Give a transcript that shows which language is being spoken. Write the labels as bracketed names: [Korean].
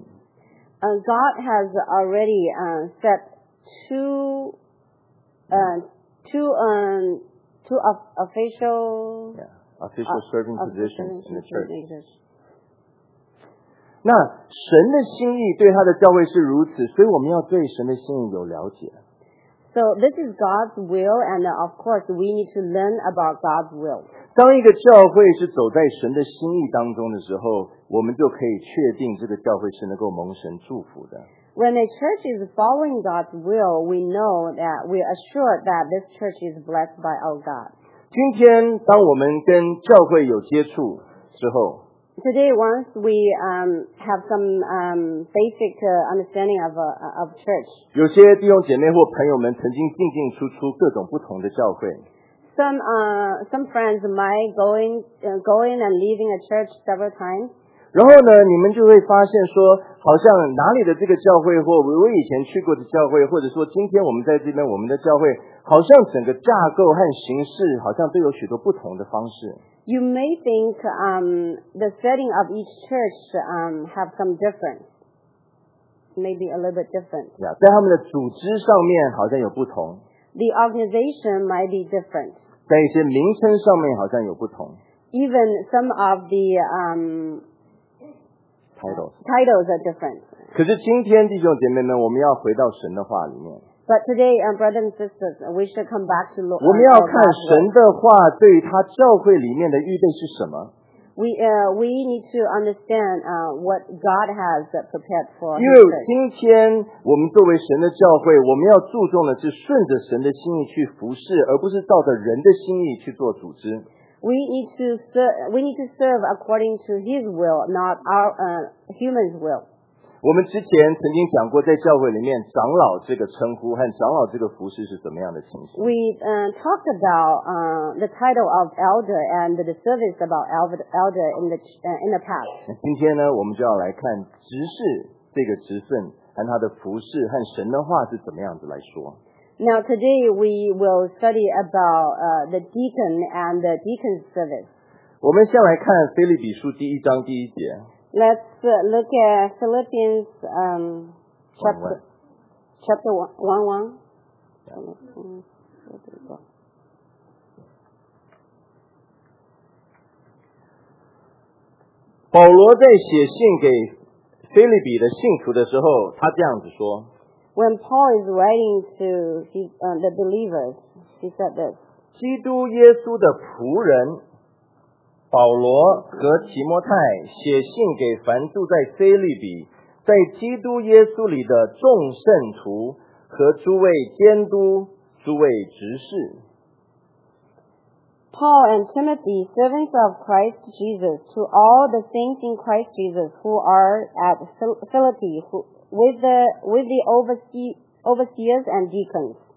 [English] God has already set two official official serving positions in the church. Exist. [Chinese] 那神的心意对他的教会是如此，所以我们要对神的心意有了解。 [English] So this is God's will, and of course we need to learn about God's will. [Chinese] 当一个教会是走在神的心意当中的时候，我们就可以确定这个教会是能够蒙神祝福的。 [English] When a church is following God's will, we know that we are assured that this church is blessed by our God. [Chinese] 今天当我们跟教会有接触之后， [English] Today, once we have some basic understanding of church, [Chinese] 有些弟兄姐妹或朋友们曾经进进出出各种不同的教会。 [English] Some friends might going and leaving a church several times. [Chinese] 然后呢，你们就会发现说，好像哪里的这个教会，或我以前去过的教会，或者说今天我们在这边我们的教会，好像整个架构和形式，好像都有许多不同的方式。 [English] You may think the setting of each church have some difference. Maybe a little bit different. [Chinese] Yeah, 在他们的组织上面好像有不同。 [English] The organization might be different. [Chinese] 在一些名称上面好像有不同。 [English] Even some of the titles are different. [Chinese] 可是今天弟兄姐妹们，我们要回到神的话里面。 [English] But today, brothers and sisters, we should come back to Lord. [Chinese] 我们要看神的话对于他教会里面的预备是什么。 [English] We need to understand what God has prepared for. [Chinese] 因为今天我们作为神的教会，我们要注重的是顺着神的心意去服事，而不是照着人的心意去做组织。 [English] We need to serve according to His will, not our human's will. [Chinese] 我们之前曾经讲过，在教会里面，长老这个称呼和长老这个服事是怎么样的情形。 [English] We talked about the title of elder and the service about elder in the past. [Chinese] 今天呢，我们就要来看执事这个职份和他的服事和神的话是怎么样子来说。 [English] Now today we will study about the deacon and the deacon's service. [Chinese] 我们先来看腓立比书第一章第一节。 [English] Let's look at Philippians chapter 1:1. [Chinese] 保罗在写信给腓立比的信徒的时候，他这样子说。 [English] When Paul is writing to the believers, he said this. [Chinese] 基督耶稣的仆人。保罗和提摩太写信给凡住在腓立比，在基督耶稣里的众圣徒和诸位监督、诸位执事。 [English] Paul and Timothy, servants of Christ Jesus, to all the saints in Christ Jesus who are at Philippi, with the overseers and deacons.